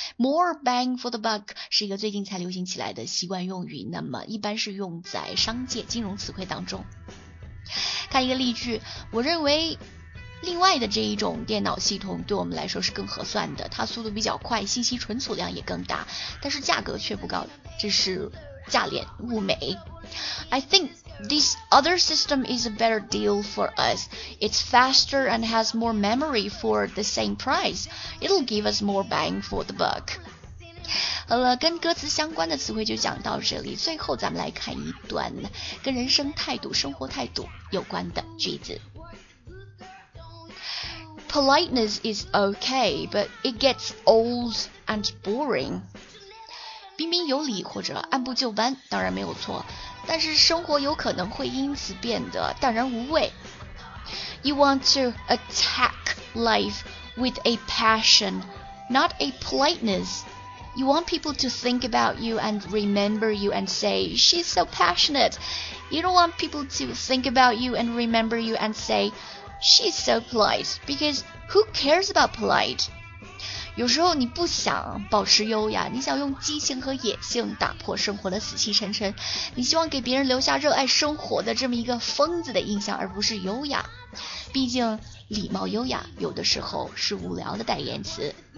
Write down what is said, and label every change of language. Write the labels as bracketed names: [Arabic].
[Chinese] more bang for the buck 是一个最近才流行起来的习惯用语，那么一般是用在商界金融词汇当中。看一个例句，我认为另外的这一种电脑系统对我们来说是更合算的，它速度比较快，信息存储量也更大，但是价格却不高，这是价廉物美。 [English] I think this other system is a better deal for us. It's faster and has more memory for the same price. It'll give us more bang for the buck. [Chinese] 好了，跟歌词相关的词汇就讲到这里，最后咱们来看一段跟人生态度、生活态度有关的句子。 [English] Politeness is okay, but it gets old and boring. [Chinese] 彬彬有礼或者按部就班当然没有错，但是生活有可能会因此变得淡然无味。 [English] You want to attack life with a passion, not a politeness. You want people to think about you and remember you and say, she's so passionate. You don't want people to think about you and remember you and say,She's so polite, because who cares about polite? [Chinese] 有时候你不想保持优雅，你想用激情和野性打破生活的死气沉沉，你希望给别人留下热爱生活的这么一个疯子的印象，而不是优雅。毕竟礼貌优雅有的时候是无聊的代言词。